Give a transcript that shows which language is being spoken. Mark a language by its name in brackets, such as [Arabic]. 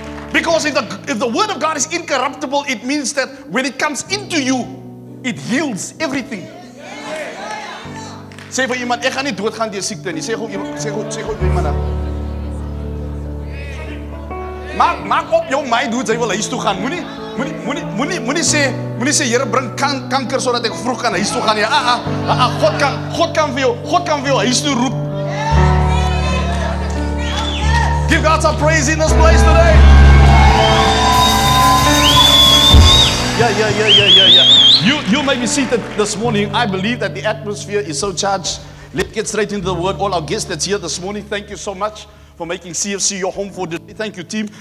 [English] Because if the word of God is incorruptible, it means that when it comes into you, it heals everything. [Afrikaans] Sê vir iemand, ek gaan nie doodgaan deur siekte nie. Sê gou iemand dan. Maak op jou mind, hoe jy wil huis toe gaan. Moenie sê Here bring kanker sodat ek vroeg kan huis toe gaan nie. God kan vir jou huis toe roep. [English] Give God some praise in this place today. Yeah. You may be seated this morning. I believe that the atmosphere is so charged. Let's get straight into the word. All our guests that's here this morning, thank you so much for making CFC your home for today. Thank you, team.